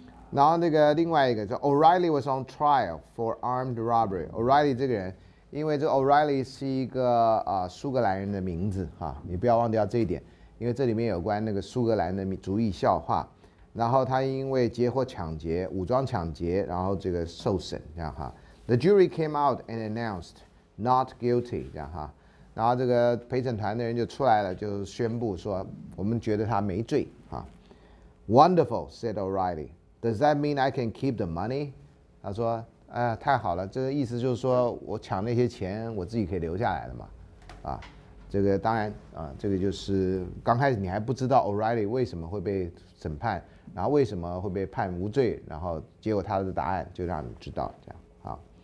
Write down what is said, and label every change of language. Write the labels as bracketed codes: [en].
[zh] 然后那个另外一个叫 [en] O'Reilly was on trial for armed robbery。 [zh] O'Reilly 这个人，因为这 O'Reilly 是一个苏格兰人的名字啊，你不要忘掉这一点，因为这里面有关那个苏格兰的族裔笑话。然后他因为劫货抢劫，武装抢劫，然后这个受审这样哈。 [en] The jury came out and announced not guilty [zh] 这样哈。然后这个陪审团的人就出来了，就宣布说我们觉得他没罪啊。 [en] Wonderful, said O'Reilly. Does that mean I can keep the money? [zh] 他说，哎，太好了，这个意思就是说我抢那些钱我自己可以留下来了嘛。啊，这个当然啊，这个就是刚开始你还不知道 O'Reilly 为什么会被审判，然后为什么会被判无罪，然后结果他的答案就让你知道这样啊。